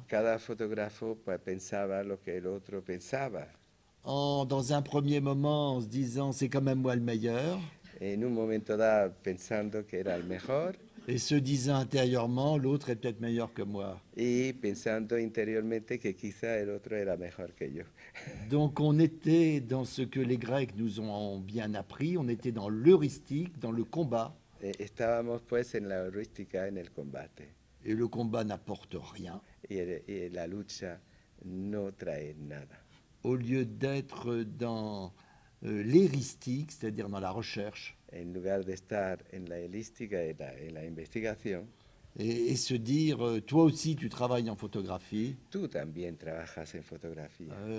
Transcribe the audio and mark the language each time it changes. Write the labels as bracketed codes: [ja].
[es] Cada fotógrafo pensaba lo que el otro pensaba. [fr] Dans un premier moment, en se disant, c'est quand même moi le meilleur. [es] En un momento dado, pensando que era el mejor. [fr] Et se disant intérieurement, l'autre est peut-être meilleur que moi. [es] Et pensando interiormente que quizá el otro era mejor que yo. [fr] Donc on était dans ce que les Grecs nous ont bien appris, on était dans l'heuristique, dans le combat. [es] Estábamos pues en la heurística, en el combate. [fr] Et le combat n'apporte rien. [es] Et la lucha no trae nada. [fr] Au lieu d'être dans l'heuristique, c'est-à-dire dans la recherche. [es] En lugar de estar en la heurística, en la investigación. [fr] Et se dire, toi aussi tu travailles en photographie. [es] Tú también trabajas en fotografía.